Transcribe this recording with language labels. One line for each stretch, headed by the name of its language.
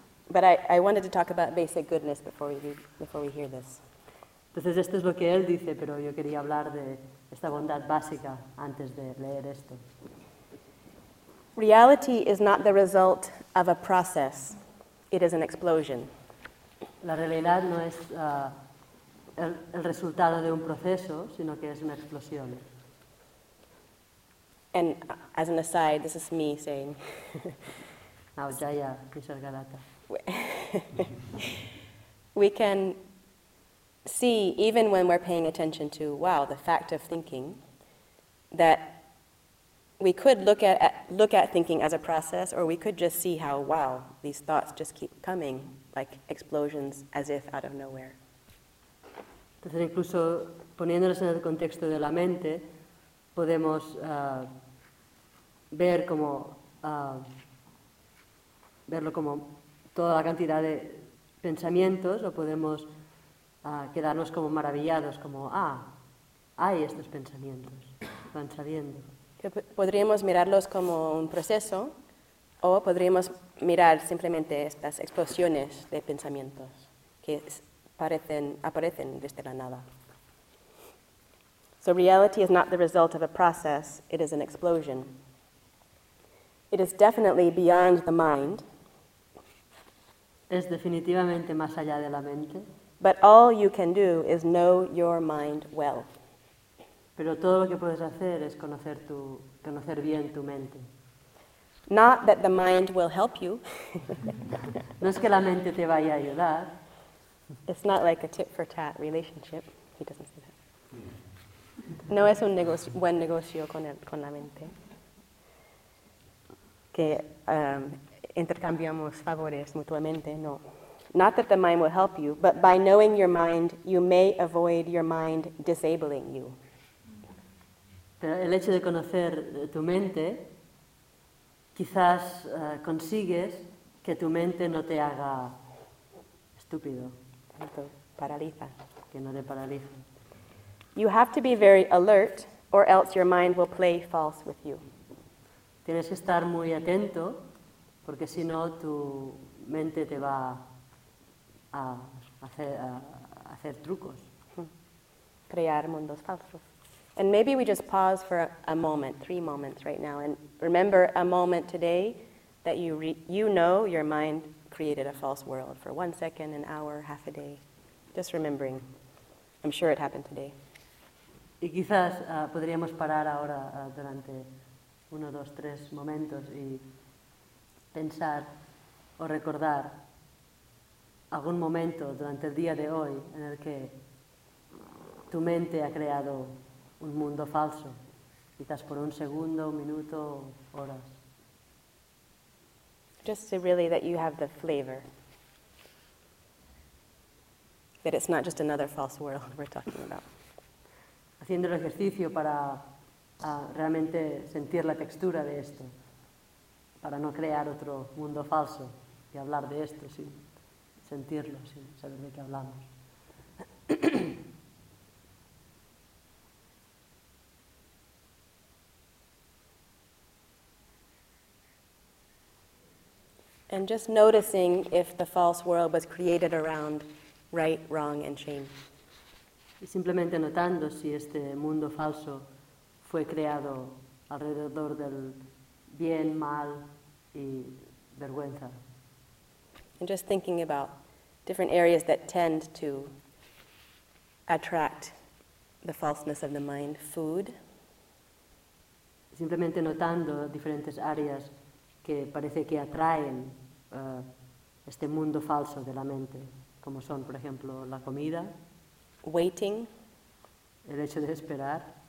English: But I wanted to talk about basic goodness before we hear this.
Spanish: Entonces esto es lo que él dice, pero yo quería hablar de esta bondad básica antes de leer esto.
English: Reality is not the result of a process; it is an explosion.
Spanish: La realidad no es el resultado de un proceso, sino que es una explosión.
English: And as an aside, this is me saying. Now, Jaya, Nisargadatta. We can see, even when we're paying attention to, wow, the fact of thinking, that we could look at thinking as a process, or we could just see how, wow, these thoughts just keep coming like explosions, as if out of nowhere.
Spanish: Entonces, incluso poniéndonos en el contexto de la mente, podemos ver como verlo como toda la cantidad de pensamientos, o podemos quedarnos como maravillados, como, ah, hay estos pensamientos, van saliendo. Podríamos mirarlos como un proceso, o podríamos mirar simplemente estas explosiones de pensamientos que aparecen desde la nada.
English: So reality is not the result of a process, it is an explosion. It is definitely beyond the mind.
Spanish: Es definitivamente más allá de la mente.
English: But all you can do is know your mind well.
Spanish: Pero todo lo que puedes hacer es conocer bien tu mente.
English: Not that the mind will help you.
Spanish: No es que la mente te vaya a ayudar.
English: It's not like a tit for tat relationship. He doesn't say that.
Spanish: No es un buen negocio con la mente. Que intercambiamos favores mutuamente, no.
English: Not that the mind will help you, but by knowing your mind, you may avoid your mind disabling you.
Spanish: Pero el hecho de conocer tu mente, quizás consigues que tu mente no te haga estúpido. No te paraliza. Que no te paralice.
English: You have to be very alert, or else your mind will play false with you.
Spanish: Tienes que estar muy atento, porque si no, tu mente te va a hacer trucos. Crear mundos falsos.
English: And maybe we just pause for three moments right now, and remember a moment today that you know your mind created a false world for 1 second, an hour, half a day. Just remembering. I'm sure it happened today.
Spanish: Y quizás podríamos parar ahora durante uno, dos, tres momentos y pensar o recordar algún momento durante el día de hoy en el que tu mente ha creado un mundo falso, quizás por un segundo, un minuto, horas.
English: Just to really that you have the flavor. That it's not just another false world we're talking about.
Spanish: Haciendo el ejercicio para realmente sentir la textura de esto, para no crear otro mundo falso y hablar de esto sin sentirlo, sin saber de qué hablamos.
English: And just noticing if the false world was created around right, wrong, and shame.
Spanish: Y simplemente notando si este mundo falso fue creado alrededor del bien, mal y vergüenza.
English: And just thinking about different areas that tend to attract the falseness of the mind, food.
Spanish: Simplemente notando diferentes áreas que parece que atraen este mundo falso de la mente, como son, por ejemplo, la comida.
English: Waiting.
Spanish: El hecho de esperar.